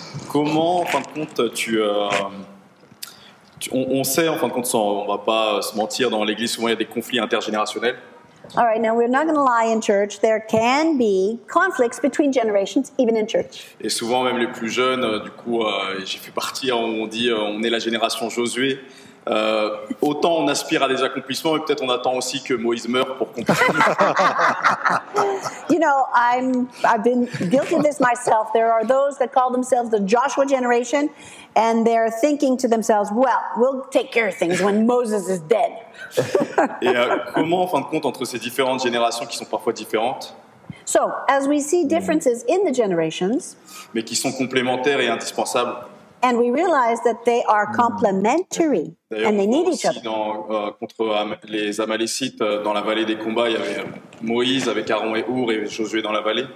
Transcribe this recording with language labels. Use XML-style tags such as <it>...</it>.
<fr>Comment, en fin de compte, on sait, en fin de compte, on ne va pas se mentir, dans l'Église, souvent, il y a des conflits intergénérationnels.</fr> <en>All right, now we're not going to lie in church. There can be conflicts between generations, even in church.</en> <fr>Et souvent, même les plus jeunes, du coup, j'ai fait partie, on dit, on est la génération Josué. Autant on aspire à des accomplissements, et peut-être on attend aussi que Moïse meure pour qu'on puisse.</fr> <en>You know, I've been guilty of this myself. There are those that call themselves the Joshua generation, and they're thinking to themselves, well, we'll take care of things when Moses is dead.</en> <fr>Et comment, en fin de compte, entre ces différentes générations qui sont parfois différentes?</fr> <en>So, as we see differences in the generations,</en> <fr>mais qui sont complémentaires et indispensables.</fr> <en>And we realize that they are complementary and they need each other.</en> <fr>Dans, contre les Amalécites, dans la vallée des combats, il y avait Moïse avec Aaron et Hur et Josué dans la vallée.</fr>